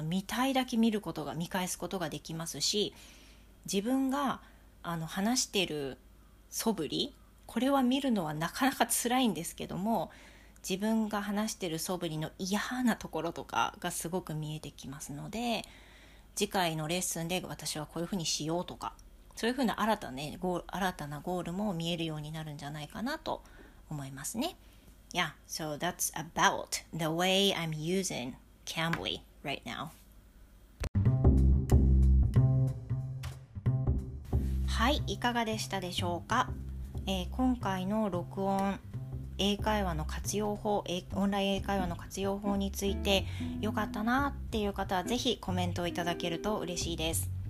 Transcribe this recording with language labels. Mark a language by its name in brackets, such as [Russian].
[Japanese] 見たいだけ見ることが、見返すことができますし、自分が話してる素振り、これは見るのはなかなか辛いんですけども、自分が話してる素振りの嫌なところとかがすごく見えてきますので、次回のレッスンで私はこういうふうにしようとか、そういうふうな新たなゴールも見えるようになるんじゃないかなと思いますね。 [English] Yeah, so that's about the way I'm using Cambly right now. [Japanese] はい、いかがでしたでしょうか。今回の録音英会話の活用法、オンライン英会話の活用法についてよかったなっていう方は、ぜひコメントをいただけると嬉しいです。